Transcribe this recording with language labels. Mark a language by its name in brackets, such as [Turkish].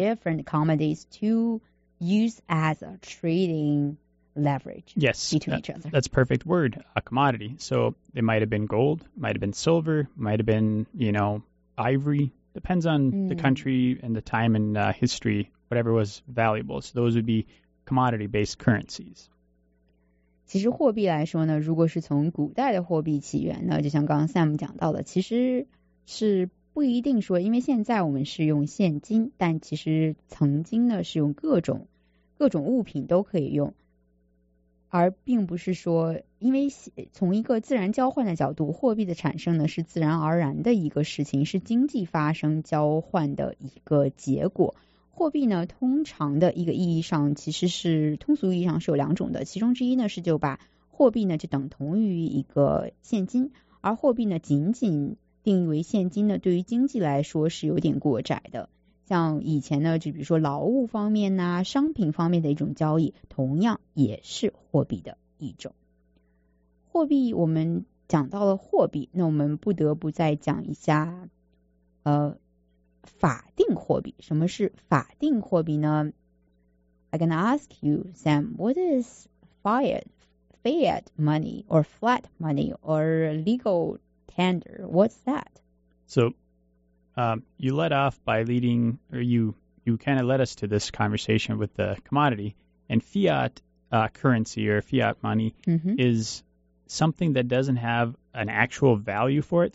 [English] We use different commodities to use as a trading leverage between each other. That's a perfect word, a commodity. So it might have been gold, might have been silver, might have been, you know, ivory. Depends on the country and the time and history, whatever was valuable. So those would be commodity-based currencies. [Chinese] 其实货币来说呢，如果是从古代的货币起源呢，就像刚刚 Sam 讲到的，其实是不一定说，因为现在我们是用现金，但其实曾经呢是用各种物品都可以用，而并不是说，因为从一个自然交换的角度，货币的产生呢是自然而然的一个事情，是经济发生交换的一个结果。货币呢，通常的一个意义上，其实是通俗意义上是有两种的，其中之一呢是就把货币呢就等同于一个现金，而货币呢仅仅定义为现金呢，对于经济来说是有点过窄的。像以前呢，就比如说劳务方面呐、商品方面的一种交易，同样也是货币的一种。货币，我们讲到了货币，那我们不得不再讲一下，法定货币。什么是法定货币呢？ [English] I'm gonna ask you, Sam, what is fiat money or flat money or legal tender? What's that? So, you led off by leading, or you kind of led us to this conversation with the commodity, and fiat currency or fiat money is something that doesn't have an actual value for it.